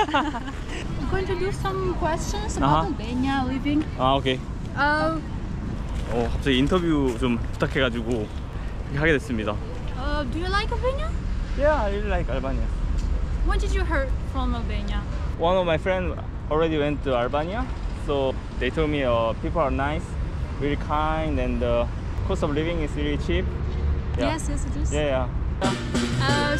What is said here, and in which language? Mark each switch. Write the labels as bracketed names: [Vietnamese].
[English] I'm going to do some questions about Benya living. Ah, okay. [Korean] 갑자기 인터뷰 좀 부탁해가지고 이렇게 하게 됐습니다. [English] Do you like Albania? Yeah, I really like Albania. When did you hear from Albania? One of my friends already went to Albania, so they told me people are nice, really kind, and the cost of living is really cheap. Yeah. Yes, yes, it is. Yeah, yeah.